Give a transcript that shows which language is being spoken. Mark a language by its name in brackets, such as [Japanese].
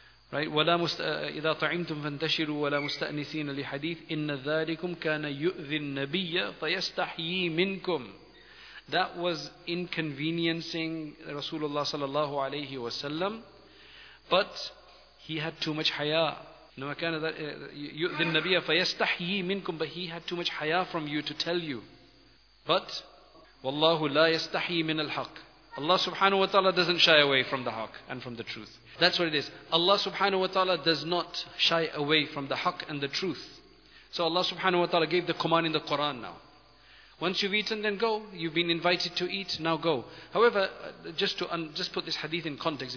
[English] Right? [Arabic] إِذَا تُعِمْتُمْ فَانْتَشِرُوا وَلَا مُسْتَأْنِسِينَ لِحَدِيثِ إِنَّ ذَلِكُمْ كَانَ يُؤْذِي النَّبِيَّ فَيَسْتَحْيِي مِنْكُمْ. [English] That was inconveniencing Rasulullah sallallahu alayhi wa sallam, but he had too much haya. No, [Arabic] كان يؤذي النبي فيستحي منكم, [English] but he had too much haya from you to tell you. [Arabic] But والله لا يستحي من الحق. [English] Allah subhanahu wa ta'ala doesn't shy away from the haq and from the truth. That's what it is. Allah subhanahu wa ta'ala does not shy away from the haq and the truth. So Allah subhanahu wa ta'ala gave the command in the Quran now. Once you've eaten, then go. You've been invited to eat, now go. However, just put this hadith in context.